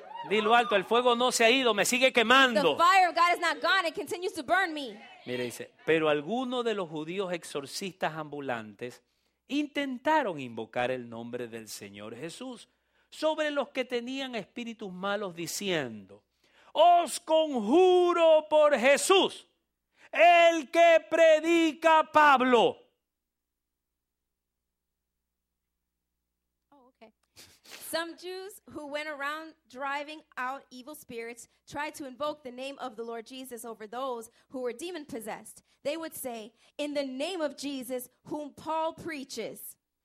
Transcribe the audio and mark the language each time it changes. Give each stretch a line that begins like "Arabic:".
Spanish: Dilo alto, el fuego no se ha ido, me sigue quemando.
English: The fire of God is not gone, it continues to burn me.
Spanish: Mire, dice, pero algunos de los judíos exorcistas ambulantes intentaron invocar el nombre del Señor Jesús sobre los que tenían espíritus malos diciendo, "Os conjuro por Jesús, el que predica Pablo."
English: Some Jews who went around driving out evil spirits tried to invoke the name of the Lord Jesus over those who were demon-possessed. They would say, in the name of Jesus, whom Paul preaches.